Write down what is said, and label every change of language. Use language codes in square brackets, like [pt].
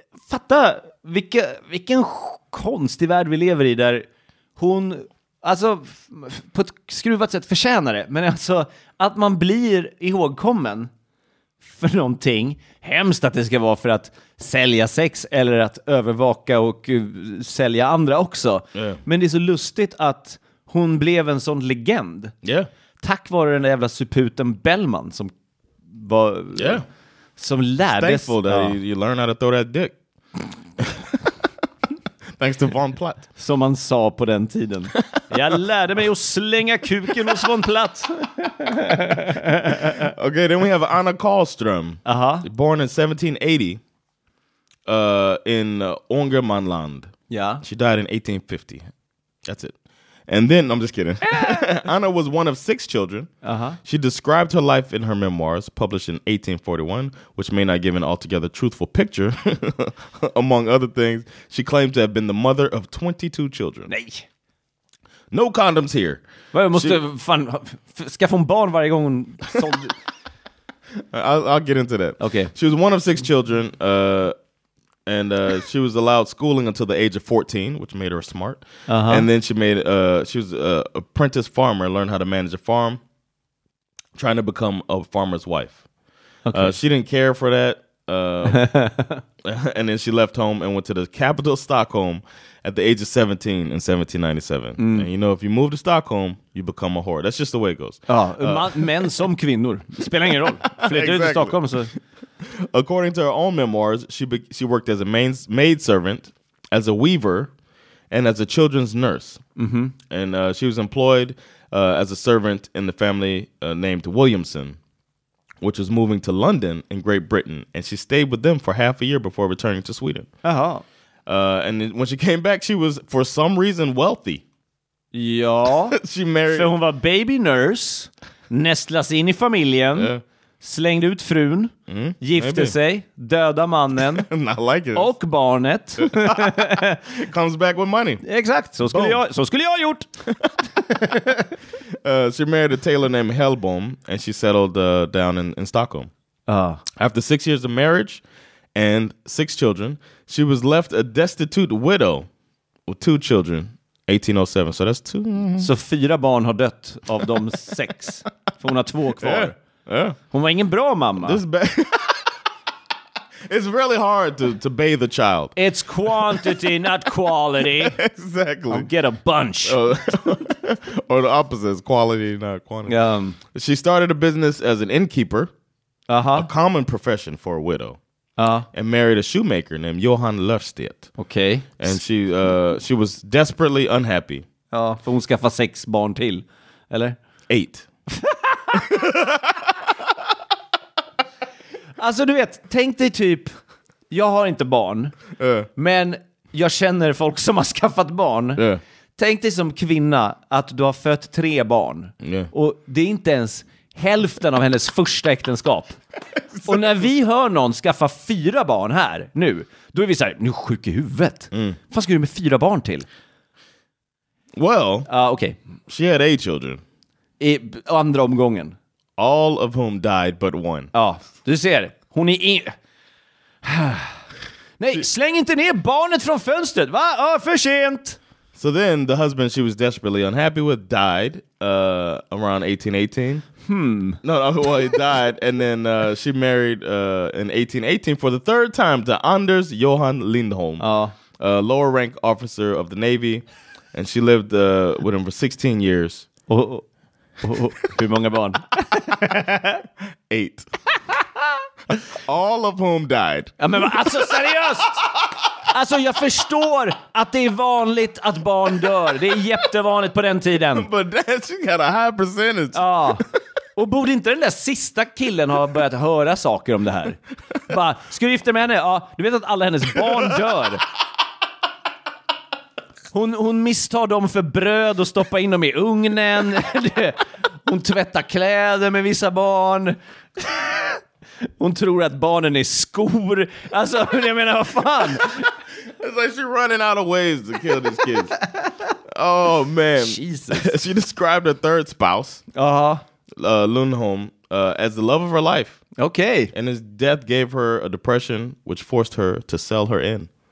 [sv] Fatta, vilken konstig värld vi lever i där hon, alltså på ett skruvat sätt förtjänar det, men alltså att man blir ihågkommen för någonting hemskt, att det ska vara för att sälja sex eller att övervaka och sälja andra också. [en] Yeah. [sv] Men det är så lustigt att hon blev en sån legend. [en] Yeah. [sv] Tack vare den där jävla suputen Bellman som var som lärdes. [en] It's thankful that you learn how to throw that dick. Thanks to von Platt. [sv] Som man sa på den tiden. Jag lärde mig att slänga kuken hos von Platt. [en] Okay, then we have Anna Karlström. Uh-huh. Born in 1780 in Ångermanland. Yeah. She died in 1850. That's it. And then, I'm just kidding. Anna was one of six children. Uh-huh. She described her life in her memoirs, published in 1841, which may not give an altogether truthful picture. Among other things, she claimed to have been the mother of 22 children. [sv] Nej. [en] No condoms here. [sv] Vad, måste fan skaffa en barn varje gång hon sålde. [en] I'll get into that. Okay. She was one of six children. And she was allowed schooling until the age of 14, which made her smart. Uh-huh. And then she was an apprentice farmer, learned how to manage a farm, trying to become a farmer's wife. Okay. She didn't care for that. and then she left home and went to the capital, Stockholm, at the age of 17 in 1797. Mm. And you know, if you move to Stockholm, you become a whore. That's just the way it goes. [sv] Men som kvinnor. Spelar ingen roll. Flyttar du till Stockholm så... [en] According to her own memoirs, she worked as a maid servant, as a weaver, and as a children's nurse. Mm-hmm. And she was employed as a servant in the family named Williamson, which was moving to London in Great Britain. And she stayed with them for half a year before returning to Sweden. Uh-huh. And when she came back, she was, for some reason, wealthy. [sv] Ja. [en] She married... [sv] För hon var baby nurse, nästlas in i familjen. [en] Yeah. [sv] Slängde ut frun, gifte sig, döda mannen [en] like [sv] och barnet. [en] Comes back with money. [sv] Exakt, så skulle jag ha gjort. [en] She married a tailor named Hellbom and she settled down in Stockholm. After 6 years of marriage and six children, she was left a destitute widow with two children. 1807, so that's two. [sv] Så fyra barn har dött av de sex, för hon har två kvar. [en] Yeah. Yeah. [sv] Hon var ingen bra mamma. [en] It's really hard to bathe a child. It's quantity, not quality. Exactly. I'll get a bunch. Or the opposite, quality, not quantity. She started a business as an innkeeper, uh-huh. A common profession for a widow, and married a shoemaker named Johan Löfstedt. Okay. And she was desperately unhappy. [sv] Ja, för hon skaffa sex barn till, eller? [en] Eight. [sv] Alltså du vet, tänk dig typ jag har inte barn. Men jag känner folk som har skaffat barn. Tänk dig som kvinna att du har fött 3 barn. Och det är inte ens hälften av hennes första äktenskap. Och när vi hör någon skaffa 4 barn här nu, då är vi såhär, nu sjuk i huvudet. Vad ska du med 4 barn till? [en] Well, okay. She had 8 children. [sv] I andra omgången. [en] All of whom died but one. [sv] Ja, du ser. Hon är in... Nej, släng inte ner barnet från fönstret. Va? För sent. [en] So then the husband she was desperately unhappy with died around 1818. Hmm. No, well, he died. And then she married in 1818 for the third time to Anders Johan Lindholm. A lower rank officer of the Navy. And she lived with him for 16 years. [sv] Hur många barn? [en] 8. All of whom died. [sv] Ja, men alltså seriöst. Alltså jag förstår att det är vanligt att barn dör. Det är jättevanligt på den tiden. [en] But that's you got a high percentage. [sv] Ja. Och borde inte den där sista killen ha börjat höra saker om det här? Bara, ska du gifta med henne? Ja, du vet att alla hennes barn dör. Hon misstar dem för bröd och stoppar in dem i ugnen. Hon tvättar kläder med vissa barn. Hon tror att barnen är skor. Alltså, jag menar, vad fan? [en] It's like she's running out of ways to kill these kids. Oh, man. Jesus. She described her third spouse, Lundholm, as the love of her life. Okay. And his death gave her a depression, which forced her to sell her in.